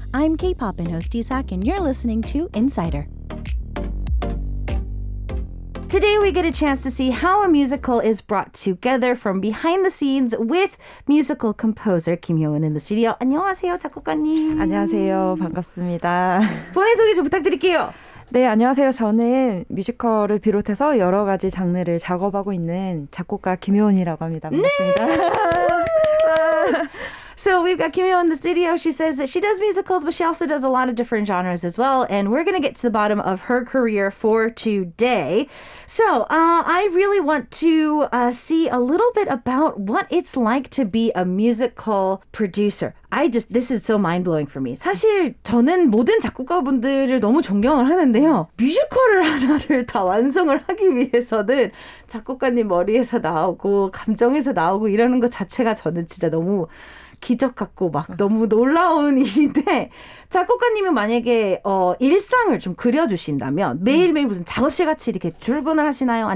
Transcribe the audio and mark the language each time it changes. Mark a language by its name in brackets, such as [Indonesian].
[English] I'm K-pop and host Isak, and you're listening to Insider. Today we get a chance to see how a musical is brought together from behind the scenes with musical composer Kim Hyo-won in the studio. [Korean] 안녕하세요, 작곡가님. 안녕하세요, 반갑습니다. 본인 소개 좀 부탁드릴게요. 네, 안녕하세요. 저는 뮤지컬을 비롯해서 여러 가지 장르를 작업하고 있는 작곡가 김효원이라고 합니다. 반갑습니다. 네! [English] So we've got Kim Hyo-won in the studio. She says that she does musicals, but she also does a lot of different genres as well. And we're going to get to the bottom of her career for today. So I really want to see a little bit about what it's like to be a musical producer. This is so mind-blowing for me. [Korean] 사실 저는 모든 작곡가분들을 너무 존경을 하는데요. 뮤지컬을 하나를 다 완성을 하기 위해서는 작곡가님 머리에서 나오고 감정에서 나오고 이러는 것 자체가 저는 진짜 너무 기적 같고 막 너무 놀라운 일인데 작곡가님이 만약에 일상을 좀 그려주신다면 매일매일 무슨 작업실 같이 이렇게 출근을 하시나요?